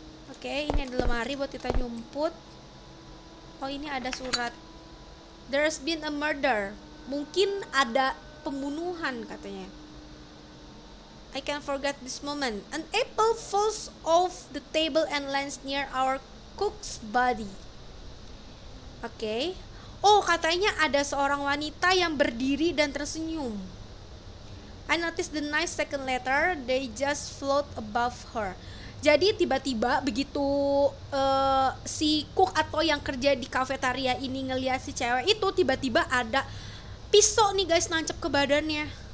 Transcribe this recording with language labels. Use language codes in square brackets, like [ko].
[id] Oke, ini ada lemari buat kita nyumput. Oh, ini ada surat. [en] There's been a murder. [id] Mungkin ada pembunuhan katanya. [en] I can't forget this moment. An apple falls off the table and lands near our cook's body. Oke. [id] Okay. Oh, katanya ada seorang wanita yang berdiri dan tersenyum. [en] I notice the nice second letter. They just float above her. [id] Jadi tiba-tiba begitu si cook atau yang kerja di kafetaria ini ngelihat si cewek itu, tiba-tiba ada pisau nih guys nancep ke badannya.